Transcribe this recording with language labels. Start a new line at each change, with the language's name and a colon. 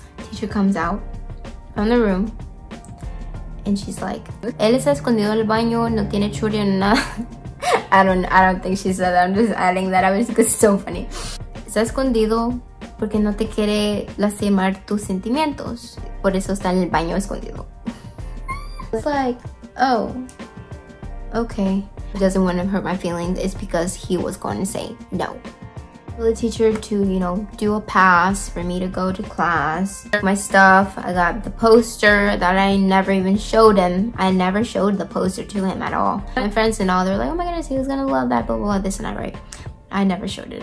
English: Teacher comes out from the room and she's like,
Spanish: él está escondido en el baño, no tiene churria ni nada.
English: I don't think she said that. I'm just adding that. I was like, it's so funny.
Spanish: Está escondido porque no te quiere lastimar tus sentimientos. Por eso está en el baño escondido.
English: It's like, oh, okay. He doesn't want to hurt my feelings. It's because he was going to say no. The teacher to, you know, do a pass for me to go to class. My stuff, I got the poster that I never even showed him. I never showed the poster to him at all. My friends and all, they're like, oh my goodness, he was going to love that, blah, blah, blah, this and that, right? I never showed it.